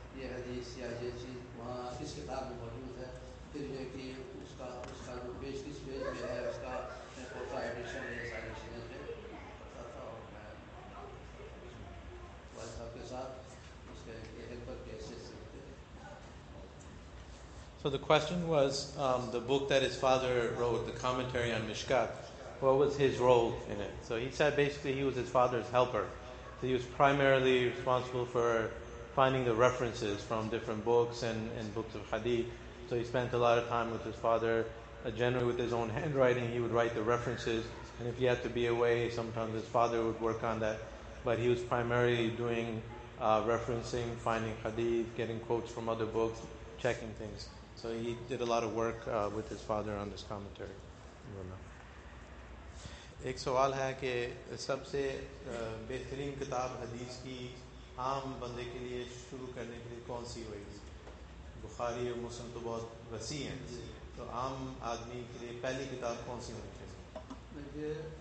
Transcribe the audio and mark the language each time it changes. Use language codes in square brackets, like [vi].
[ur] یہ حدیث یا یہ چیز وہاں کس کتاب میں موجود ہے, پھر یہ کہ اس کا جو پیج کس پیج میں ہے, اس کا کون سا ایڈیشن ہے, یہ ساری چیزیں پتا تھا. اور میں والد صاحب کے ساتھ اس کے ہیلپر کیسے سیکھتے ہیں. [en] So the question was, the book that his father wrote, the commentary on Mishkat, what was his role in it? So he said basically he was his father's helper. So he was primarily responsible for finding the references from different books and books of hadith. So he spent a lot of time with his father. Generally with his own handwriting, he would write the references. And if he had to be away, sometimes his father would work on that. But he was primarily doing referencing, finding hadith, getting quotes from other books, checking things. So he did a lot of work with his father on this commentary. [ur] ایک سوال ہے کہ سب سے بہترین کتاب حدیث کی عام بندے کے لیے شروع کرنے کے لیے کون سی ہوئی بخاری اور مسلم تو بہت وسیع ہیں تو عام آدمی کے لیے پہلی کتاب کون سی ہونی چاہیے